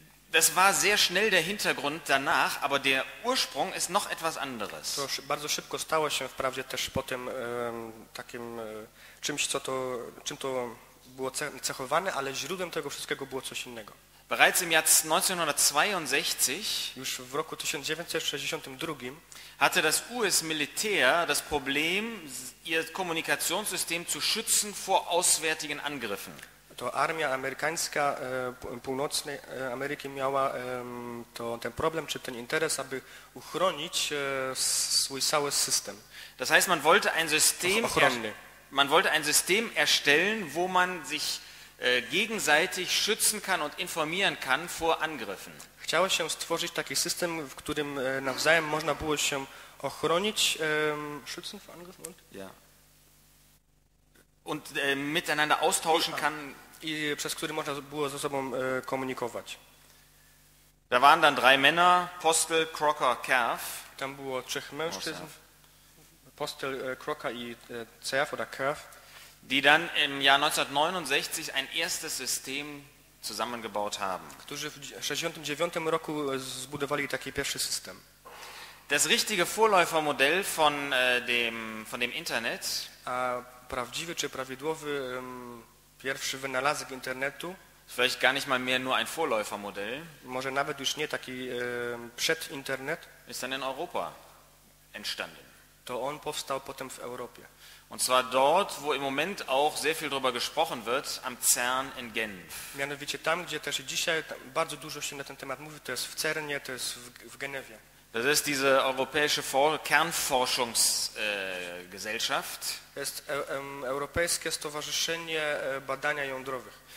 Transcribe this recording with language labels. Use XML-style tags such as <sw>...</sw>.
<de>Das war sehr schnell der Hintergrund danach, aber der Ursprung ist noch etwas anderes.</de> <pl>To bardzo szybko stało się wprawdzie też potem takim czymś, co to, czym to było cechowane, ale źródłem tego wszystkiego było coś innego.</pl> <de>Bereits im Jahr 1962,</de> <pl>już w roku 1962,</pl> <de>hatte das US-Militär das Problem, ihr Kommunikationssystem zu schützen vor auswärtigen Angriffen.</de> <pl>To armia amerykańska północnej Ameryki miała to, ten problem, czy ten interes, aby uchronić swój cały system.</pl> <de>Das heißt, man wollte ein System, man wollte ein System erstellen, wo man sich gegenseitig schützen kann und informieren kann vor Angriffen.</de> <pl>Chciało się stworzyć taki system, w którym nawzajem można było się ochronić,</pl> <de>schützen vor Angriffen? Ja. Und miteinander austauschen kann.</de> <pl>I przez który można było ze sobą komunikować.</pl> <de>Da waren dann drei Männer, Postel, Crocker, Kerf.</de> <pl>Tam było trzech mężczyzn. Postel, Crocker i Cerf</pl> <de>oder</de> <pl>Kerf.</pl> <de>Die dann im Jahr 1969 ein erstes System zusammengebaut haben.</de> <pl>Którzy w 69 roku zbudowali taki pierwszy system.</pl> <de>Das richtige Vorläufermodell von dem Internet.</de> <pl>A prawdziwy czy prawidłowy pierwszy wynalazek internetu.</pl> <de>Vielleicht gar nicht mal mehr nur ein Vorläufermodell.</de> <pl>Może nawet już nie taki przed internet.</pl> <de>Ist dann in Europa entstanden.</de> <pl>to on powstał potem w Europie.</pl> <de>Und zwar dort, wo im Moment auch sehr viel drüber gesprochen wird, am CERN in Genf.</de> <pl>Mianowicie tam, gdzie też dzisiaj bardzo dużo się na ten temat mówi, to jest w CERNie, to jest w Genewie.</pl> <de>Das ist diese europäische Kernforschungsgesellschaft.</de> <pl>Jest europejskie stowarzyszenie badania jądrowych.</pl>